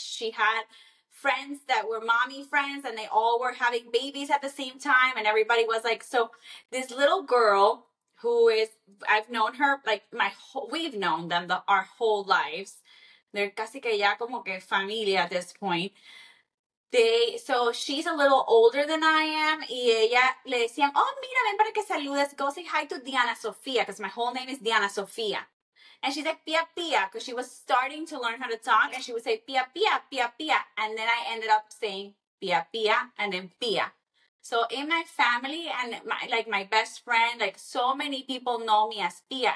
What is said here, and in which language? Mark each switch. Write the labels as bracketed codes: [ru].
[en] She had friends that were mommy friends and they all were having babies at the same time and everybody was like, so this little girl who is, I've known her like we've known them our whole lives. They're [es] casi que ya como que familia [en] at this point. So she's a little older than I am. [es] Y ella le decían, oh, mira, ven para que saludes. [en] Go say hi to Diana Sofia, because my whole name is Diana Sofia. And she's like, Pia, Pia, because she was starting to learn how to talk. And she would say, Pia, Pia, Pia, Pia. And then I ended up saying, Pia, Pia, and then Pia. So in my family and my best friend, like so many people know me as Pia.